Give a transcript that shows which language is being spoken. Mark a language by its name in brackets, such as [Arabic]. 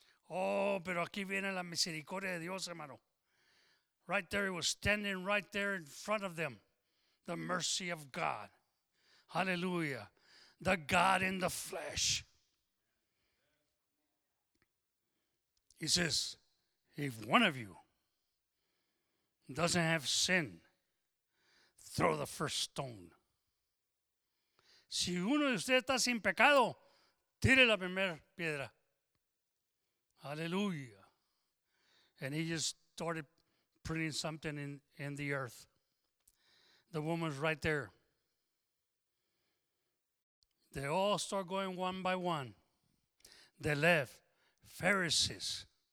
[Spanish] Oh, pero aquí viene la misericordia de Dios, hermano. [English] Right there, he was standing right there in front of them. The mercy of God. Hallelujah. The God in the flesh. He says, if one of you doesn't have sin, throw the first stone. [Spanish] Si uno de ustedes está sin pecado, tire la primera piedra. [English] Hallelujah. And he just started putting something in the earth. The woman's right there. They all start going one by one. They left. Pharisees.